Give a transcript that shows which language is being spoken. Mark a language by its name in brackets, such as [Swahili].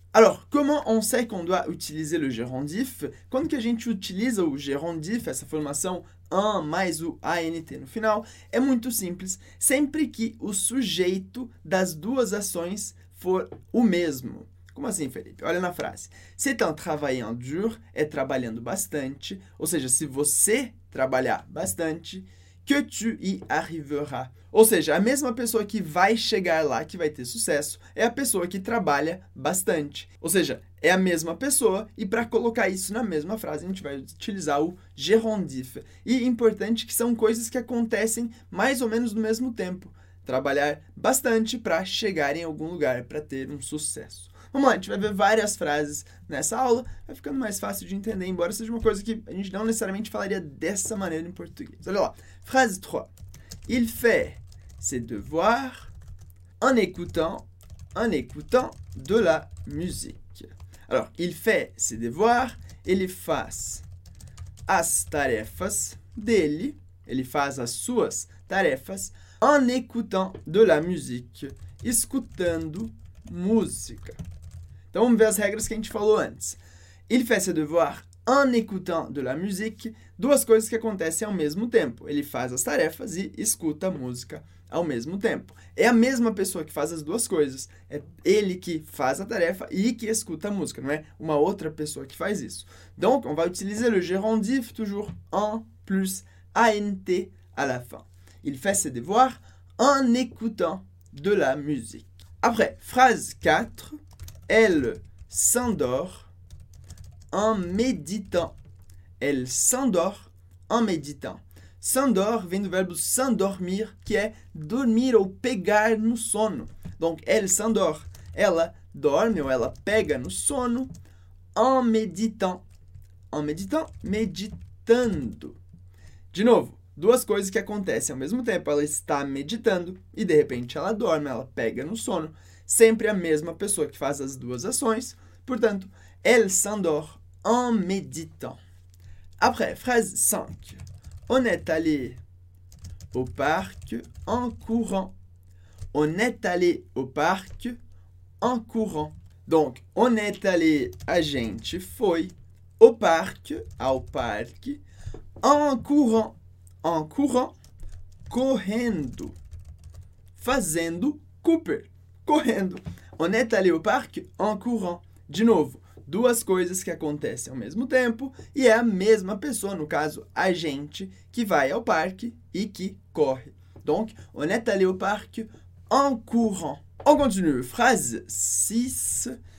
[French] Alors, comment on sait qu'on doit utiliser le gérondif? [Portuguese] Quando que a gente utiliza o gérondif, essa formação en mais o ant no final, é muito simples, sempre que o sujeito das duas ações for o mesmo. Como assim, Felipe? Olha na frase. [French] C'est en travaillant dur, [Portuguese] é trabalhando bastante. Ou seja, se você trabalhar bastante, que [French] tu y arrivera. [Portuguese] Ou seja, a mesma pessoa que vai chegar lá, que vai ter sucesso, é a pessoa que trabalha bastante. Ou seja, é a mesma pessoa e para colocar isso na mesma frase, a gente vai utilizar o gérondif. E importante que são coisas que acontecem mais ou menos no mesmo tempo. Trabalhar bastante para chegar em algum lugar, para ter um sucesso. Vamos lá, a gente vai ver várias frases nessa aula, vai ficando mais fácil de entender, embora seja uma coisa que a gente não necessariamente falaria dessa maneira em português. Olha lá, frase 3. [French] Il fait ses devoirs en écoutant de la musique. Alors, il fait ses devoirs, [Portuguese] ele faz as tarefas dele, ele faz as suas tarefas, [French] en écoutant de la musique, [Portuguese] escutando música. Então, vamos ver as regras que a gente falou antes. [French] Il fait ses devoirs en écoutant de la musique. [Portuguese] Duas coisas que acontecem ao mesmo tempo. Ele faz as tarefas e escuta a música ao mesmo tempo. É a mesma pessoa que faz as duas coisas. É ele que faz a tarefa e que escuta a música. Não é uma outra pessoa que faz isso. [French] Donc, on va utiliser le gérondif toujours en plus ANT à la fin. Il fait ses devoirs en écoutant de la musique. Après, phrase 4. Elle s'endort en méditant. Elle s'endort en méditant. [Portuguese] S'endort vem do verbo s'endormir, que é dormir ou pegar no sono. [French] Donc, elle s'endort. [Portuguese] Ela dorme ou ela pega no sono [French] en méditant. En méditant, [Portuguese] meditando. De novo, duas coisas que acontecem ao mesmo tempo. Ela está meditando e, de repente, ela dorme, ela pega no sono. Sempre a mesma pessoa que faz as duas ações. Portanto, [French] elle s'endort en méditant. Après, phrase 5. On est allé au parc en courant. On est allé au parc en courant. Donc, on est allé, [Portuguese] a gente foi, [French] au parc, [Portuguese] ao parque, [French] en courant. En courant, [Portuguese] correndo, fazendo Cooper, correndo. [French] On est allé au parc en courant. [Portuguese] De novo, duas coisas que acontecem ao mesmo tempo e é a mesma pessoa, no caso, a gente, que vai ao parque e que corre. [French] Donc, on est allé au parc en courant. On continue, phrase 6.